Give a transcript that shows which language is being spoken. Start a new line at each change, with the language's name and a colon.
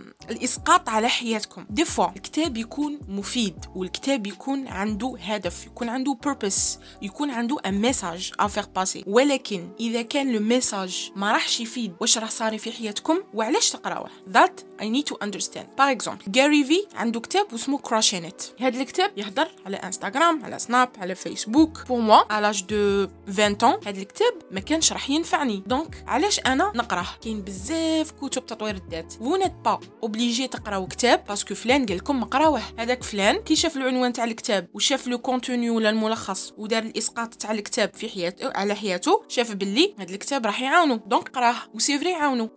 Arabic: الإسقاط على حياتكم. دفع الكتاب يكون مفيد والكتاب يكون عنده هدف، يكون عنده purpose، يكون عنده
French: a message à faire passer.
Arabic: ولكن إذا كان الميساج ما راحش يفيد واش راح صار في حياتكم وعلاش تقراوه؟
English: That I need to understand. For example,
Arabic: Gary V عنده كتاب اسمه Crushing It. هذا الكتاب يهضر على انستغرام، على سناب، على فيسبوك.
French: Pour moi, à l'âge de 20 ans,
Arabic: هذا الكتاب ما كانش راح ينفعني.
French: Donc,
Arabic: علاش أنا نقراه؟ كاين بزاف كتب تطوير الذات.
French: Vous n'êtes pas obligé de
Arabic: قراو كتاب باسكو فلان قال لكم قراوه. هذاك فلان كي شاف العنوان تاع الكتاب وشاف لو كونتوني ولا الملخص ودار الاسقاط تاع الكتاب في حياته على حياته، شاف باللي هذا الكتاب راح يعاونو، دونك قراه وسيفري يعاونو.